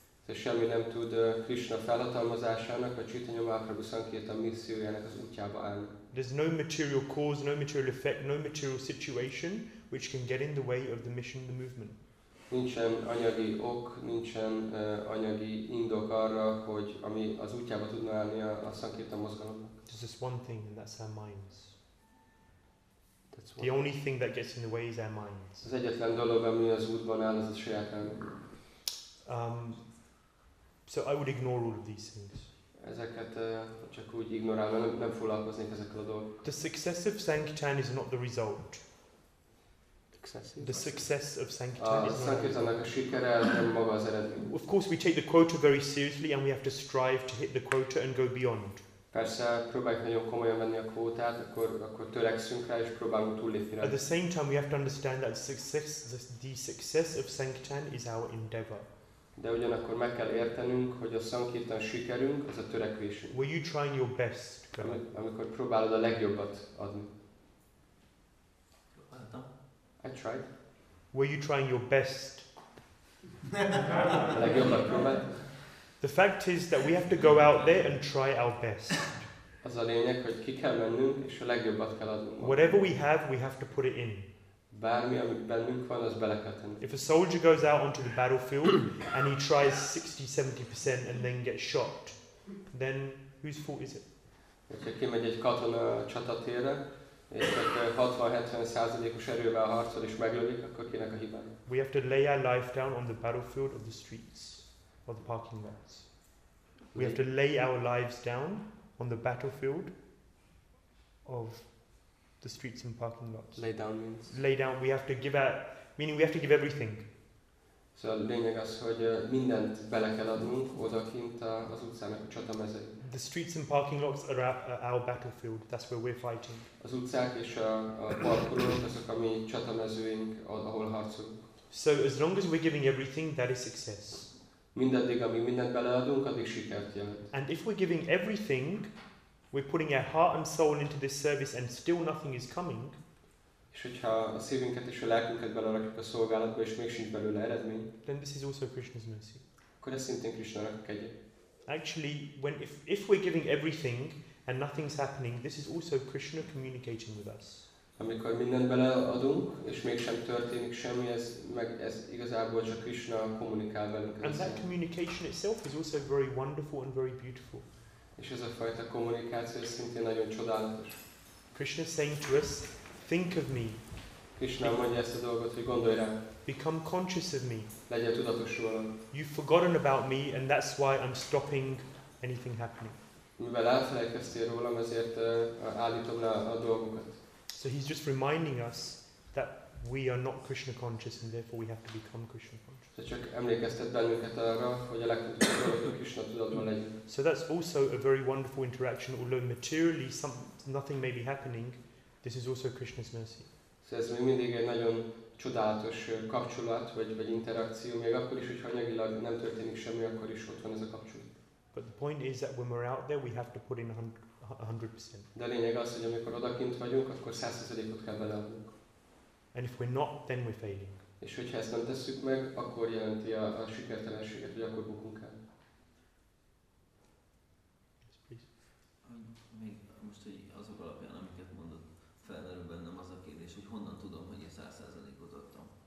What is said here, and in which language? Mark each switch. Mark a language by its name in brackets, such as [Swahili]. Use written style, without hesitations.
[Hungarian] So semmi nem tud Krishna felhatalmazásának, vagy Chaitanya Mahaprabhu Sankirtan missziójának az útjába állni. [English] There's no material cause, no material effect, no material situation which can get in the way of the mission, the movement. [Hungarian] Nincsen anyagi ok, nincsen anyagi indok arra, hogy ami az útjába tudna állni a Sankirtan mozgalomnak. [English] There's just one thing, and that's our minds. That's the only thing that gets in the way is our minds. [Hungarian] Az egyetlen dolog, ami az útban áll, az a saját elme. [English] So I would ignore all of these things. [Hungarian] Ezeket csak úgy ignorálva, nem foglalkoznék ezekkel a dolgokkal. [English] The success of Sankirtan is not the result. The success of Sankirtan is not the result. Of course, we take the quota very seriously, and we have to strive to hit the quota and go beyond. [Hungarian] Persze, próbáljuk nagyon komolyan venni a kvótát, akkor törekszünk rá és próbálunk túllépni rá. [English] At the same time, we have to understand that the success of Sankirtan is our endeavor. [Hungarian] De ugyanakkor meg kell értenünk, hogy a Sankirtan sikerünk, az a törekvésünk. [English] Were you trying your best? [Hungarian] Amikor próbálod a legjobbat adni. [English] I tried. Were you trying your best? [Hungarian] A legjobbat próbáltad? [English] The fact is that we have to go out there and try our best. [Hungarian] Az a lényeg, hogy ki kell mennünk, és a legjobbat kell adnunk. [English] Whatever we have, we have to put it in. [Hungarian] Bármi, amit bennünk van, az bele kell tenni. [English] If a soldier goes out onto the battlefield and he tries 60-70% and then gets shot, then whose fault is it? [Hungarian] Ha kimegy egy katona a csatatérre, és csak 60-70%-os erővel harcol és meglövik, akkor kinek a hibája? [English] We have to lay our life down on the battlefield of the streets. are the parking lots. We have to lay our lives down on the battlefield of the streets and parking lots. Lay down means? Lay down, we have to give out, meaning we have to give everything. [Hungarian] So a lényeg az, hogy mindent bele kell adnunk odakint az utcának a csatamezőn. [English] The streets and parking lots are our battlefield, that's where we're fighting. [Hungarian] Az utcák és a parkolók azok a mi csatamezőink, ahol harcolunk. [English] So as long as we're giving everything, that is success. [Hungarian] Mindaddig, amíg mindent beleadunk, addig sikert jelent. [English] And if we're giving everything, we're putting our heart and soul into this service and still nothing is coming. [Hungarian] És hogyha a szívünket és a lelkünket belerakjuk a szolgálatba, és még sincs belőle eredmény. [English] Then this is also Krishna's mercy. [Hungarian] Akkor ez szintén Krishna-nak a kegye. [English] Actually, when if we're giving everything and nothing's happening, this is also Krishna communicating with us. [Hungarian] Amikor mindent beleadunk, és mégsem történik semmi, ez igazából csak Krishna kommunikál velünk. [English] And that communication itself is also very wonderful and very beautiful. [Hungarian] És ez a fajta kommunikáció szintén nagyon csodálatos. [English] Krishna saying to us, think of me. [Hungarian] Krishna mondja ezt a dolgot, hogy gondolj rám. [English] Become conscious of me. [Hungarian] Legyél tudatos rólam. [English] You've forgotten about me, and that's why I'm stopping anything happening. [Hungarian] Mivel elfelejtkeztél rólam, ezért állítom le a dolgokat. [English] So he's just reminding us that we are not Krishna conscious and therefore we have to become Krishna conscious. [Hungarian] Csak emlékeztet bennünket arra, hogy a legfontosabb dolog, hogy Krishna tudatban legyünk. [English] So that's also a very wonderful interaction, although materially nothing may be happening, this is also Krishna's mercy. [Hungarian] So ez még mindig egy nagyon csodálatos kapcsolat, vagy interakció, még akkor is, hogyha anyagilag nem történik semmi, akkor is ott van ez a kapcsolat. [English] But the point is that when we're out there, we have to put in 100%. [Hungarian] De a lényeg az, hogy amikor odakint vagyunk, akkor 100%-ot kell beleadnunk. [English] And if we're not, then we're failing. [Hungarian] És hogyha ezt nem tesszük meg, akkor jelenti a sikertelenséget, hogy akkor bukunk el. [English] Yes, please. [Hungarian] Még most, hogy azok alapján, amiket mondott, felmerül bennem az a kérdés, hogy honnan tudom, hogy én 100%-ot adtam.